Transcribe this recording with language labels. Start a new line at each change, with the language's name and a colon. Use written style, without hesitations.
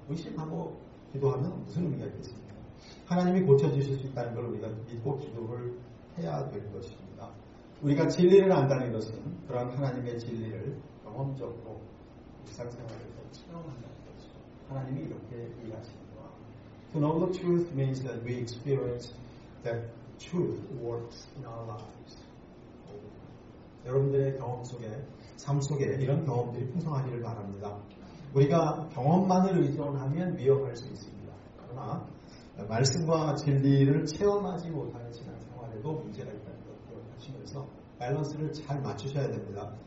Korean: 의심하고 기도하면 무슨 의미가 있겠습니까? 하나님이 고쳐주실 수 있다는 걸 우리가 믿고 기도를 해야 될 것입니다. 우리가 진리를 안다는 것은 그런 하나님의 진리를 경험적으로 일상생활에서 체험한다는 것이죠. 하나님이 이렇게 얘기하시는 거야.
English: To know the truth means that we experience that truth works in our lives.
Korean: 여러분들의 경험 속에 삶 속에 이런 경험들이 풍성하기를 바랍니다. 우리가 경험만을 의존하면 위험할 수 있습니다. 그러나 말씀과 진리를 체험하지 못하는 지난 생활에도 문제가 있다는 것을 기억하시면서 밸런스를 잘 맞추셔야 됩니다.